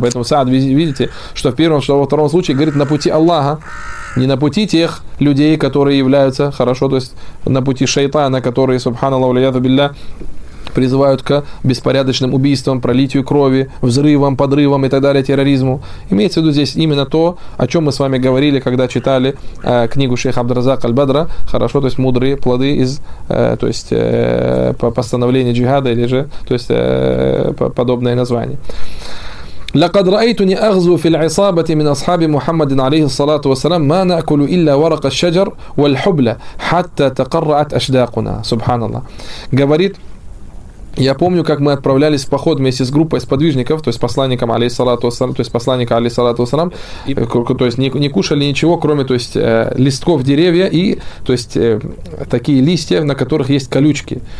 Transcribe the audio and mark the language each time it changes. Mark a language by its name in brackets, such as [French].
[Russian] Поэтому Саад, видите, что в первом, что во втором случае говорит на пути Аллаха, не на пути тех людей, которые являются, хорошо, то есть на пути шайтана, которые, субханаллаху валиаду билля, призывают к беспорядочным убийствам, пролитию крови, взрывам, подрывам и так далее, терроризму. Имеется в виду здесь именно то, о чем мы с вами говорили, когда читали книгу шейха Абдразак Аль-Бадра, хорошо, то есть мудрые плоды из, то есть, по постановлению джихада, или же, то есть, подобное название. [Arabic] لقد رأيتني أغزو في العصابة من أصحاب محمد عليه الصلاة والسلام ما نأكل إلا ورق الشجر والحبلة حتى تقرعت أشداقنا. سبحان الله. [Russian] говорит, я помню, как мы отправлялись в поход вместе с группой сподвижников, то есть посланником алейхиссалату вассалям, то есть посланника алейхиссалату вассалям, то есть не кушали ничего, кроме, то есть, листков деревья и, то есть, такие листья, на которых есть колючки.